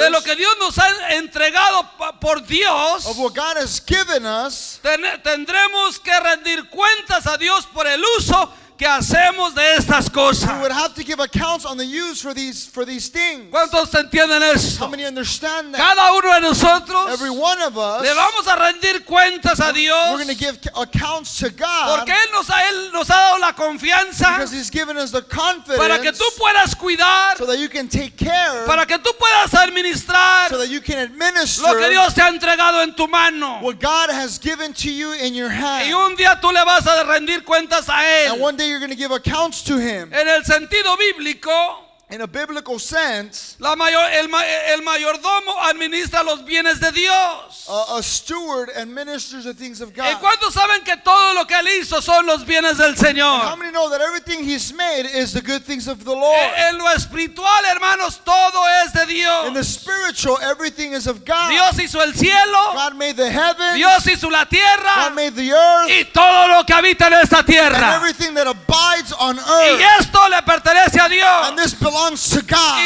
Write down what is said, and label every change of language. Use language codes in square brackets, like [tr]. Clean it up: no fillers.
[es] de lo que Dios nos ha entregado por Dios, [en] of what God has given us, [es] tendremos que rendir cuentas a Dios por el uso que hacemos de estas cosas. [en] We would have to give accounts on the use for these things. [es] ¿Cuántos entienden eso? [en] How many understand that? [es] Cada uno de nosotros, [en] every one of us, [es] le vamos a rendir cuentas a Dios. [en] We're going to give accounts to God. [es] Porque él nos ha dado la confianza. [en] Because he's given us the confidence. [es] Para que tú puedas cuidar. [en] So that you can take care. [es] Para que tú puedas administrar. [en] So that you can administer. [es] Lo que Dios te ha entregado en tu mano. [en] What God has given to you in your hand. [es] Y un día tú le vas a rendir cuentas a él. [en] One day you're going to give accounts to him. [es] En el sentido bíblico, [en] in a biblical sense, [es] el mayordomo administra los bienes de Dios. [en] A steward administers the things of God. [es] ¿Y cuántos saben que todo lo que él hizo son los bienes del Señor? [en] How many know that everything he's made is the good things of the Lord? [es] En lo espiritual, hermanos, todo es de Dios. [en] In the spiritual, everything is of God. [es] Dios hizo el cielo. [en] God made the heavens. [es] Dios hizo la tierra. [en] God made the earth. [es] Y todo lo que habita en esta tierra. [en] And everything that abides on earth. [es] Y esto le pertenece a Dios. [en] And this belongs to God.